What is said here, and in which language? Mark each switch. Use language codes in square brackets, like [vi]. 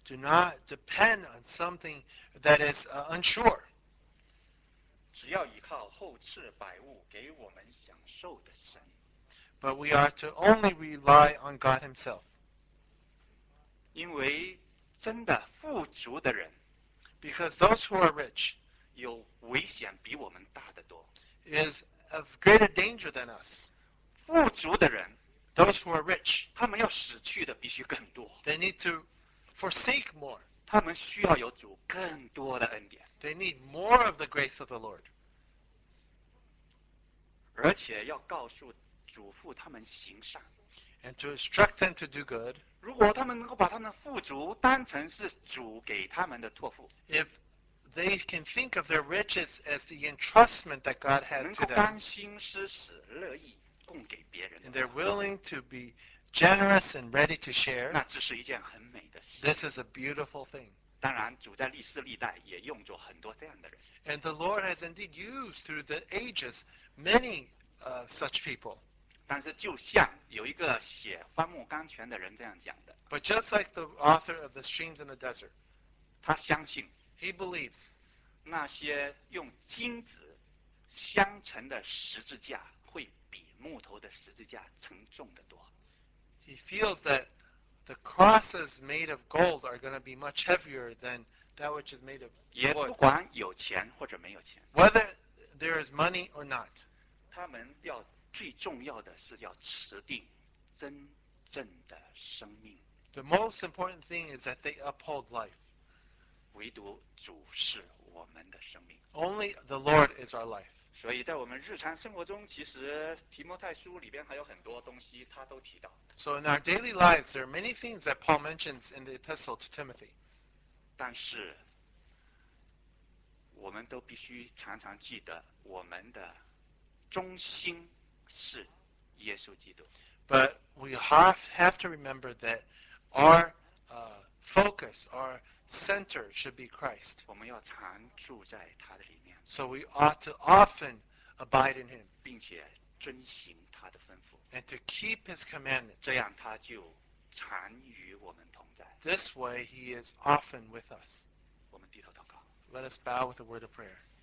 [en] Do not depend on something that is unsure. [zh] 只要依靠后赐百物给我们享受的神。 [en] But we are to only rely on God himself. [zh] 因为真的富足的人。 [en] Because those who are rich, [zh] 有危险比我们大得多。 [en] Is of greater danger than us. [zh] 富足的人 [en] ，those who are rich， [zh] 他们要死去的必须更多。 [en] They need to forsake more. [zh] 他们需要有主更多的恩典。 [en] They need more of the grace of the Lord. [zh] 而且要告诉嘱咐他们行善。 [en] And to instruct them to do good. [zh] 如果他们能够把他们富足当成是主给他们的托付。 [en] If they can think of their riches as the entrustment that God had to them. [zh] 能够甘心施舍，乐意供给别人。 [en] And they're willing to be generous and ready to share. [zh] 那这是一件很美的事。 [en] This is a beautiful thing. [zh] 当然，主在历世历代也用作很多这样的人。 [en] And the Lord has indeed used through the ages many such people. [zh] 但是，就像有一个写《荒漠甘泉》的人这样讲的。 [en] But just like the author of the Streams in the Desert. [zh] 他相信。 [en] He believes [zh] 那些用金子镶成的十字架会比木头的十字架沉重得多。 [en] He feels that the crosses made of gold are going to be much heavier than that which is made of wood. [zh] 也不管有钱或者没有钱。 [en] Whether there is money or not, [zh] 他们要最重要的是要持定真正的生命。 [en] The most important thing is that they uphold life. [zh] 唯独主是我们的生命。 [en] Only the Lord is our life. [zh] 所以在我们日常生活中，其实提摩太书里边还有很多东西他都提到。 [en] So in our daily lives, there are many things that Paul mentions in the epistle to Timothy. [zh] 但是我们都必须常常记得我们的中心是耶稣基督。 [en] But we have to remember that our focus, our center should be Christ. [zh] 我们要常住在他的里面。 [en] So we ought to often abide in him. [zh] 并且遵行他的吩咐。 [en] And to keep his commandments. [zh] 这样他就常与我们同在。 [en] This way he is often with us. [zh] 我们低头祷告。 [en] Let us bow with a word of prayer.